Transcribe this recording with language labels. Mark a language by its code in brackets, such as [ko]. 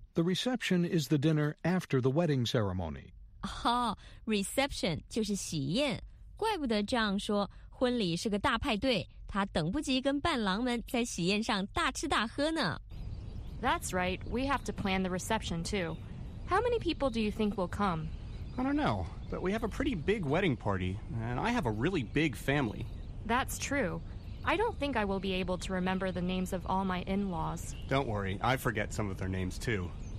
[en] The reception is the dinner after the wedding ceremony. [zh] Reception 就是喜宴。怪不得 John 说婚礼是个大派对，他等不及跟伴郎们在喜宴上大吃大喝呢。 [en] That's right. We have to plan the reception, too. How many people do you think will come? I don't know, but we have a pretty big wedding party, and I have a really big family. That's true. I don't think I will be able to remember the names of all my in-laws. Don't worry. I forget some of their names, too.